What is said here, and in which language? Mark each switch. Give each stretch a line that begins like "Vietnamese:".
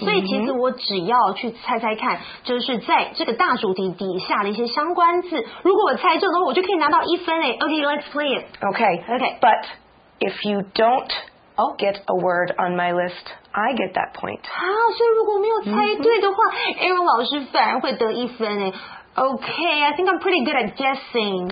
Chinese: 所以其实我只要去猜猜看，就是在这个大主题底下的一些相关字。如果我猜中的话，我就可以拿到一分诶。
English: Okay, let's play it. Okay. But if you don't get a word on my list, I get that point.
Chinese: 好，所以如果没有猜对的话，Aaron老师反而会得一分诶。
English: Okay, I think I'm pretty good at guessing.